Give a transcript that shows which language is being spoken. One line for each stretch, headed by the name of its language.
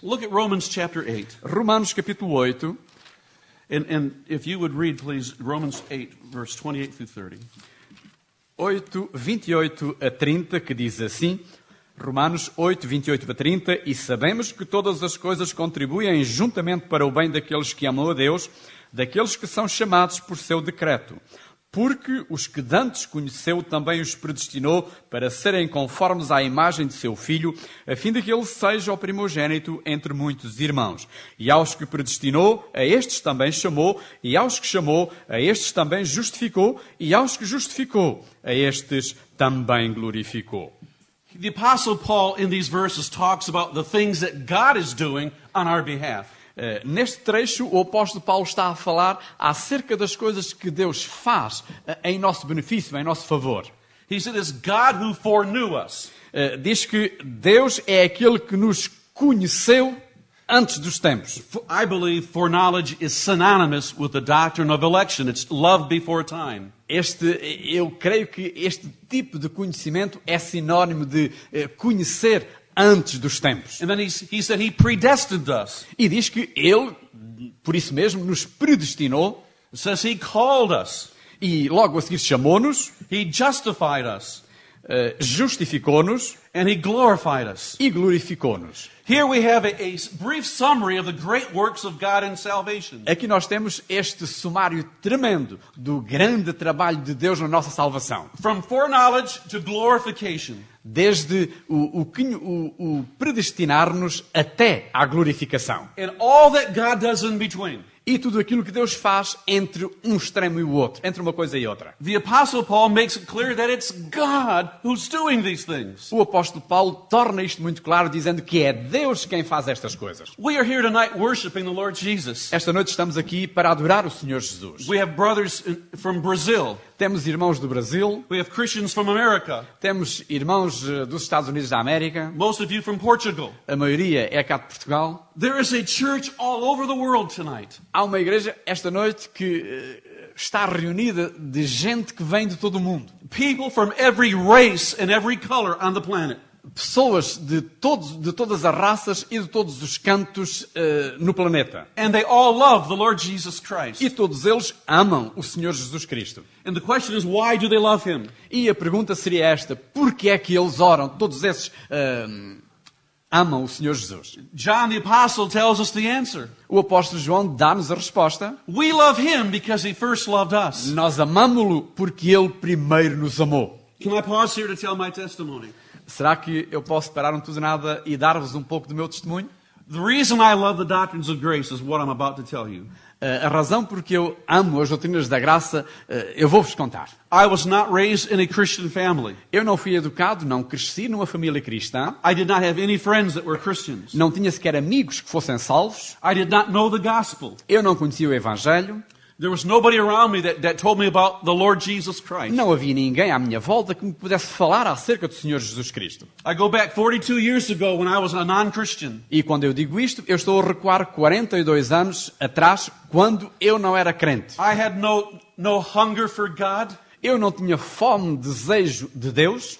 English: Look at Romans chapter 8.
Portuguese: Romanos capítulo 8.
English: And if you would read, please, Romans 8, verse 28 through 30.
Portuguese: 8, 28 a 30, que diz assim. Romanos 8, 28 a 30, e sabemos que todas as coisas contribuem juntamente para o bem daqueles que amam a Deus, daqueles que são chamados por seu decreto. Porque os que dantes conheceu também os predestinou para serem conformes à imagem de seu Filho, a fim de que ele seja o primogênito entre muitos irmãos. E aos que predestinou, a estes também chamou, e aos que chamou, a estes também justificou, e aos que justificou, a estes também glorificou.
English: The Apostle Paul, in these verses, talks about the things that God is doing on our behalf.
Portuguese: Neste trecho, o apóstolo Paulo está a falar acerca das coisas que Deus faz em nosso benefício, em nosso favor.
English: He said, it's God who foreknew us.
Portuguese: Diz que Deus é aquele que nos conheceu antes dos tempos.
English: I believe foreknowledge is synonymous with the doctrine of election. It's love before time.
Portuguese: Eu creio que este tipo de conhecimento é sinónimo de conhecer antes dos tempos.
English: And then he said he predestined us.
Portuguese: E diz que ele, por isso mesmo, nos predestinou.
English: It says he called us.
Portuguese: E logo a seguir chamou-nos.
English: He justified us.
Portuguese: Justificou-nos.
English: And he glorified us.
Portuguese: E glorificou-nos.
English: Here we have a brief summary of the great works of God in salvation.
Portuguese: Aqui nós temos este sumário tremendo do grande trabalho de Deus na nossa salvação.
English: From foreknowledge to glorification.
Portuguese: Desde o predestinar-nos até à glorificação.
English: And all that God does in between.
Portuguese: E tudo aquilo que Deus faz entre um extremo e o outro, entre uma coisa e outra.
English: The Apostle Paul makes it clear that it's God who's doing these things.
Portuguese: O apóstolo Paulo torna isto muito claro, dizendo que é Deus quem faz estas coisas.
English: We are here tonight worshiping the Lord Jesus.
Portuguese: Esta noite estamos aqui para adorar o Senhor Jesus.
English: We have brothers from Brazil.
Portuguese: Temos irmãos do Brasil.
English: We have Christians from America.
Portuguese: Temos irmãos dos Estados Unidos da América.
English: Most of you from Portugal.
Portuguese: A maioria é cá de Portugal.
English: There is a church all over the world tonight.
Portuguese: Há uma igreja esta noite que está reunida de gente que vem de todo o mundo.
English: People from every race and every color on the planet.
Portuguese: Pessoas de todos, de todas as raças e de todos os cantos no planeta.
English: And they all love the Lord Jesus Christ.
Portuguese: E todos eles amam o Senhor Jesus Cristo.
English: And the question is, why do they love him?
Portuguese: E a pergunta seria esta: porque é que eles oram, todos esses amam o Senhor Jesus?
English: John the Apostle tells us the answer.
Portuguese: O apóstolo João dá-nos a resposta.
English: We love him because he first loved us.
Portuguese: Nós amamo-lo porque ele primeiro nos amou.
English: Can I pause here to tell my testimony?
Portuguese: Será que eu posso parar um tudo e nada e dar-vos um pouco do meu testemunho?
English: The reason I love the doctrines of grace is what I'm about to tell you.
Portuguese: A razão porque eu amo as doutrinas da graça, eu vou-vos contar.
English: I was not raised in a Christian family.
Portuguese: Eu não fui educado, não cresci numa família cristã.
English: I did not have any friends that were Christians.
Portuguese: Não tinha sequer amigos que fossem salvos.
English: I did not know the gospel.
Portuguese: Eu não conhecia o evangelho.
English: There was nobody around me that told me about the Lord Jesus Christ.
Portuguese: Não havia ninguém à minha volta que me pudesse falar acerca do Senhor Jesus Cristo.
English: I go back 42 years ago when I was a non-Christian.
Portuguese: E quando eu digo isto, eu estou a recuar 42 anos atrás, quando eu não era crente.
English: I had no hunger for God.
Portuguese: Eu não tinha fome, desejo de Deus.